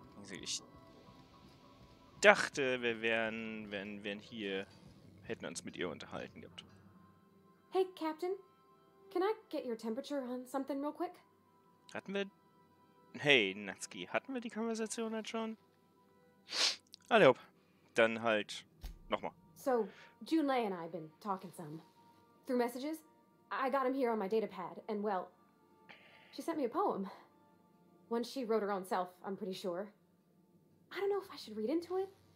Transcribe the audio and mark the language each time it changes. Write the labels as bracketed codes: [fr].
[de] Ich dachte, wir wären hier, hätten uns mit ihr unterhalten gehabt. [en] Hey, Captain. Can I get your temperature on something real quick? [de] Hatten wir... Hey, Natsuki, hatten wir die Konversation jetzt schon? Alle hopp. Dann halt nochmal. [en] So, Junlei and I have been talking some. Through messages, I got him here on my data pad, and well, she sent me a poem. One she wrote her own self, I'm pretty sure. I don't know if I should read into it.